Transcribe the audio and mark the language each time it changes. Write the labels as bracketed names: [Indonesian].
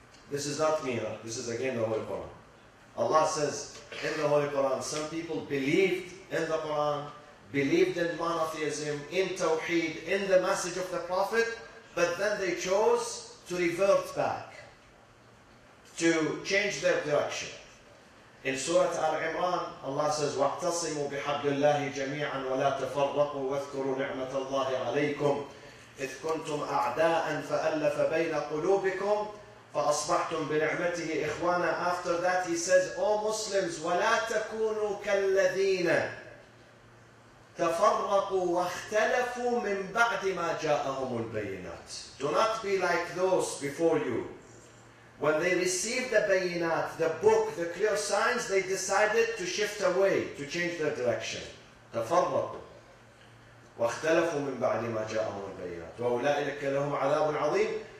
[English] This is not me, this is again the Holy Quran. Allah says in the Holy Quran, some people believed in the Quran, believed in monotheism, in Tawheed, in the message of the Prophet, but then they chose to revert back, to change their direction. In Surah Al-Imran, Allah says, [Arabic] وَاعْتَصِمُوا بِحَبِّ اللَّهِ جَمِيعًا وَلَا تَفَرَّقُوا وَاذْكُرُوا نِعْمَةَ اللَّهِ عَلَيْكُمْ إِذْ كُنْتُمْ أَعْدَاءً فَأَلَّفَ بَيْنَ قُلُوبِكُمْ فَأَصْبَحْتُمْ بِنِعْمَتِهِ إِخْوَانًا. [English] After that he says, O Muslims, [Arabic] وَلَا تَكُونُوا كَالَّذِينَ تَفَرَّقُوا وَاخْتَلَفُوا مِنْ بَعْدِ مَا جَاءَهُمُ الْبَيِّنَاتِ. [English] Do not be like those before you. When they received the bayinat, the book, the clear signs, they decided to shift away, to change their direction. [Arabic] تَفَرَّقُوا وَاخْتَلَفُوا مِنْ بَعْدِ مَا جَاءَهُمُ الْبَيِّنَاتِ وَأُولَٰئِكَ لَهُمْ عَذَابٌ عَظِيمٌ.